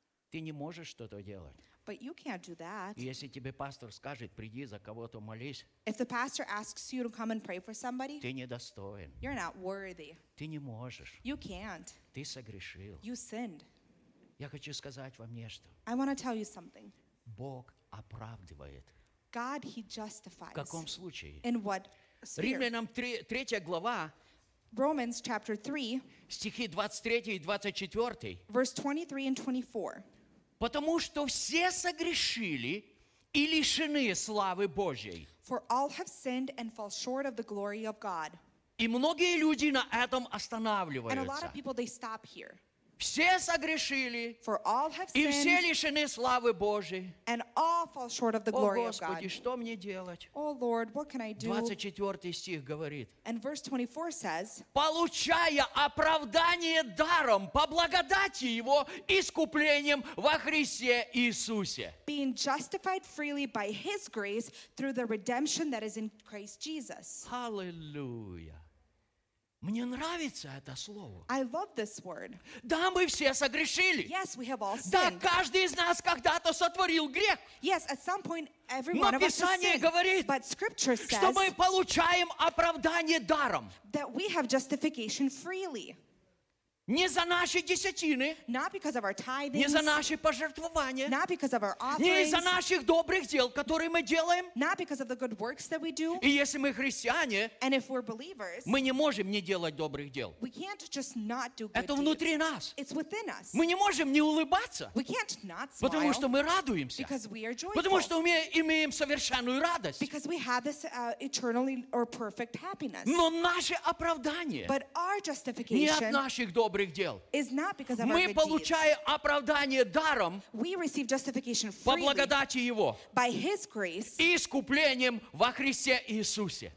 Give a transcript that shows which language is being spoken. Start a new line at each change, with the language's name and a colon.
Russian: Ты не можешь что-то делать.
English: But you can't do that.
Russian: Если тебе пастор скажет, приди за кого-то молись.
English: If the pastor asks you to come and pray for somebody,
Russian: ты недостоин.
English: You're not worthy.
Russian: Ты не можешь.
English: You can't.
Russian: Ты согрешил.
English: You sinned.
Russian: Я хочу сказать вам нечто.
English: I want to tell you something.
Russian: Бог оправдывает.
English: God, he justifies.
Russian: В каком случае?
English: In what sphere?
Russian: Римлянам 3 глава.
English: Romans chapter 3.
Russian: Стихи 23 и 24.
English: Verse 23 and 24.
Russian: Потому что все согрешили и лишены славы Божьей.
English: For all have sinned and fall short of the glory of God.
Russian: И многие люди на этом останавливаются.
English: And a lot of people, they stop here.
Russian: Все согрешили.
English: For all have sinned.
Russian: И все лишены славы Божьей.
English: And all fall short of the glory of God.
Russian: О Господи, что мне делать?
English: Oh Lord, what can I do?
Russian: 24 стих говорит.
English: And verse 24 says.
Russian: Получая оправдание даром по благодати Его искуплением во Христе Иисусе.
English: Being justified freely by His grace through the redemption that is in Christ Jesus.
Russian: Hallelujah. Мне нравится это слово.
English: I love this word.
Russian: Да, мы все согрешили.
English: Yes, we have all sinned.
Russian: Да, каждый из нас когда-то сотворил грех.
English: Yes, at some point, every
Russian: но Писание говорит,
English: but Scripture says,
Russian: что мы получаем оправдание даром.
English: That we have justification freely.
Russian: Не за наши десятины.
English: Not because of our tithings.
Russian: Не за наши пожертвования.
English: Not because of our offerings.
Russian: Не из-за наших добрых дел, которые мы делаем.
English: Not because of the good works that we do.
Russian: И если мы христиане,
English: and if we're believers,
Russian: мы не можем не делать добрых дел.
English: We can't just not do good.
Russian: Это внутри нас.
English: It's within us.
Russian: Мы не можем не улыбаться.
English: We can't not smile.
Russian: Потому что мы радуемся.
English: Because we are joyful.
Russian: Потому что мы имеем совершенную радость.
English: Because we have this eternally or perfect happiness.
Russian: Но наше оправдание.
English: But our justification.
Russian: Не от наших добрых.
English: Is not because of
Russian: мы
English: our good
Russian: получаем
English: deeds.
Russian: Оправдание даром
English: we receive justification freely
Russian: по благодати Его
English: by His grace
Russian: и искуплением во Христе Иисусе.